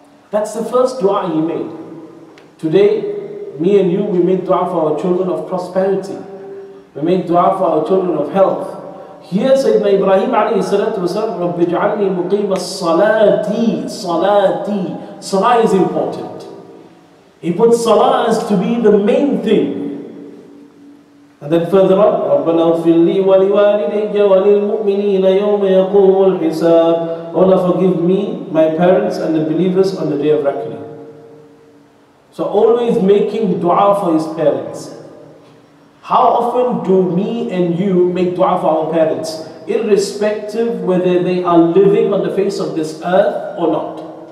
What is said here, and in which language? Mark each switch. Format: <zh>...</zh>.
<en>That's the first dua he made. Today, me and you, we made dua for our children of prosperity. We made dua for our children of health. Here Sayyidina Ibrahim alayhi salatu wasalam,</en> <ar>رَبِّ جَعَلْنِي مُقِيمَ الصَّلَاةِ.</ar> <en>صَلَاةِ. Salah is important. He put salah as to be the main thing. And then further on,</en> <ar>رَبَّنَا اغْفِرْ لِي وَلِوَالِدَيَّ وَلِلْمُؤْمِنِينَ يَوْمَ يَقُومُ الْحِسَابِ.</ar> <en>Allah, forgive me, my parents and the believers on the day of reckoning. So always making dua for his parents. How often do me and you make dua for our parents, irrespective whether they are living on the face of this earth or not?</en>